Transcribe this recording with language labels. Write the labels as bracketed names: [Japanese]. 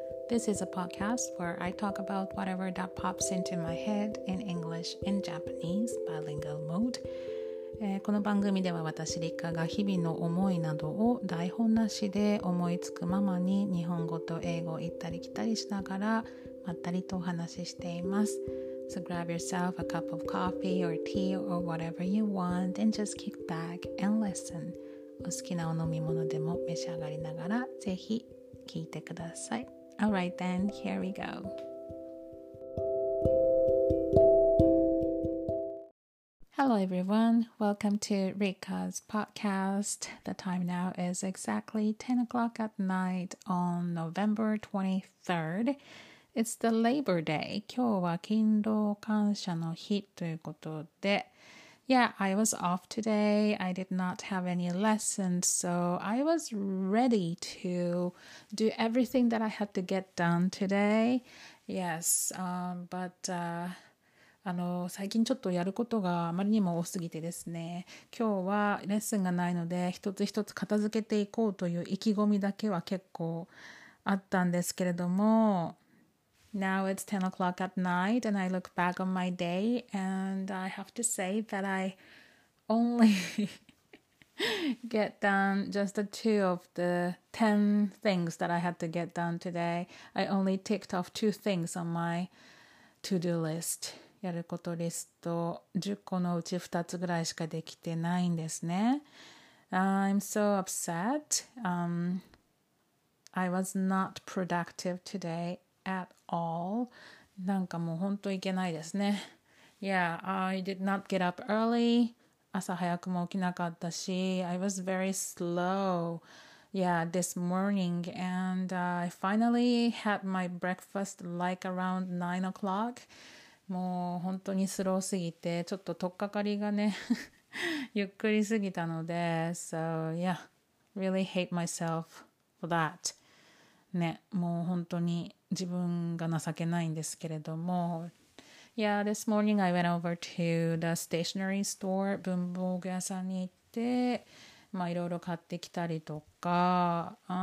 [English] This is a podcast where I talk about whatever that pops into my head in English and Japanese bilingual mode. [Japanese] この番組では私リカが日々の思いなどを台本なしで思いつくままに日本語と英語を行ったり来たりしながらまったりとお話ししています。 [English] So grab yourself a cup of coffee or tea or whatever you want and just kick back and listen. [Japanese] お好きなお飲み物でも召し上がりながらぜひ聞いてください。 [English] Alright then, here we go. Hello everyone, welcome to Rika's podcast. The time now is exactly 10 o'clock at night on November 23rd. It's the Labor Day. [Japanese] 今日は勤労感謝の日ということで。 [English] Yeah, I was off today. I did not have any lessons, so I was ready to do everything that I had to get done today. Yes, but [Japanese] 最近ちょっとやることがあまりにも多すぎてですね、今日はレッスンがないので一つ一つ片付けていこうという意気込みだけは結構あったんですけれども、 [English] Now it's 10 o'clock at night and I look back on my day and I have to say that I only get done just the two of the 10 things that I had to get done today. I only ticked off two things on my to-do list [Japanese] やることリスト10個のうち2つぐらいしかできてないんですね。 [English] I'm so upset. I was not productive today at all. [Japanese] なんかもう本当いけないですね。 [English] Yeah, I did not get up early. [Japanese] 朝早くも起きなかったし、 [English] I was very slow. Yeah, this morning. And I finally had my breakfast like around 9 o'clock. [Japanese] もう本当にスローすぎてちょっと取っかかりがねゆっくりすぎたので、 [English] So yeah, really hate myself for that. [Japanese] ね、もう本当に自分が情けないんですけれども、 [English] Yeah, this morning I went over to the stationery store [Japanese] 文房具屋さんに行ってまあいろいろ買ってきたりとか、